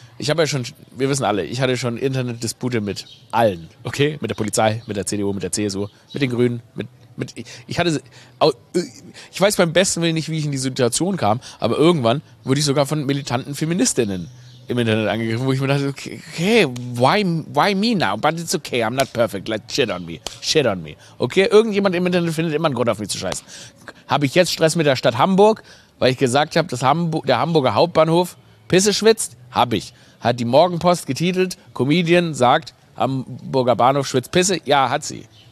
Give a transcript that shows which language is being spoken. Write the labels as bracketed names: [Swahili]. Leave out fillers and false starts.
[German] Ich habe ja schon, wir wissen alle, ich hatte schon Internetdispute mit allen. Okay? Mit der Polizei, mit der CDU, mit der CSU, mit den Grünen. Ich weiß beim besten Willen nicht, wie ich in die Situation kam, aber irgendwann wurde ich sogar von militanten Feministinnen im Internet angegriffen, wo ich mir dachte, okay, [English] why me now? But it's okay, I'm not perfect, like, shit on me. [German] Okay, irgendjemand im Internet findet immer einen Grund, auf mich zu scheißen. Habe ich jetzt Stress mit der Stadt Hamburg, weil ich gesagt habe, dass der Hamburger Hauptbahnhof Pisse schwitzt? Habe ich. Hat die Morgenpost getitelt, Comedian sagt, Hamburger Bahnhof schwitzt Pisse? Ja, hat sie.